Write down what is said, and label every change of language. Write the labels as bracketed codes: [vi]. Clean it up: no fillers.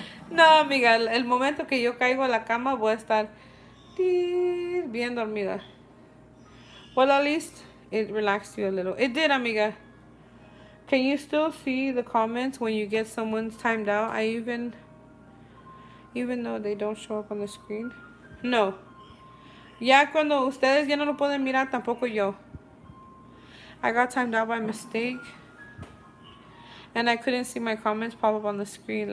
[es] No, amiga, el momento que yo caigo a la cama voy a estar bien dormida. [en] Well, at least it relaxed you a little. It did, amiga. Can you still see the comments when you get someone's timed out? I even though they don't show up on the screen. No. [es] Ya cuando ustedes ya no lo pueden mirar, tampoco yo. [en] I got timed out by mistake. And I couldn't see my comments pop up on the screen.